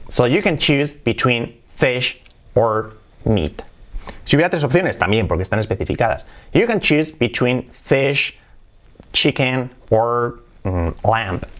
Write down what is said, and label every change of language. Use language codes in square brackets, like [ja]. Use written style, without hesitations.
[en] So, you can choose between fish or meat. [es] Si hubiera tres opciones, también, porque están especificadas. [en] You can choose between fish, chicken, or lamb.